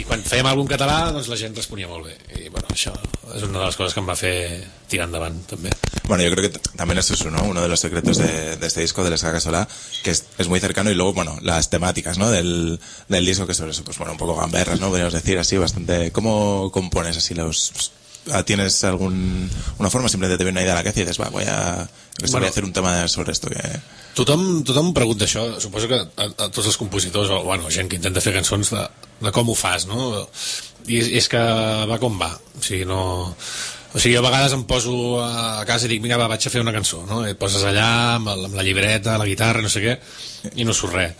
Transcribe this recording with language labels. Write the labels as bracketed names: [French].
[Catalan] I quan fèiem algun català, doncs la gent responia molt bé. I, bueno, això és una de les coses que em va fer tirar endavant, també. [Spanish] Bueno, yo creo que también esto es uno de los secretos de este disco, de l'Esca Casolà, que es muy cercano, y luego, bueno, las temáticas, ¿no?, del disco, que sobre eso, pues, bueno, un poco gamberras, ¿no?, podríamos decir, así, bastante... ¿Cómo compones así los...? ¿Tienes alguna forma? Simplemente te ve una idea a la que dices, va, voy a hacer un tema sobre esto. Que... [Catalan] Tothom em pregunta això, suposo que a tots els compositors, o bueno, gent que intenta fer cançons, de com ho fas, no? I és que va com va. O sigui, no... O sigui, jo a vegades em poso a casa i dic, mira, va, vaig a fer una cançó, no? I et poses allà amb la llibreta, la guitarra, no sé què, i no surt res.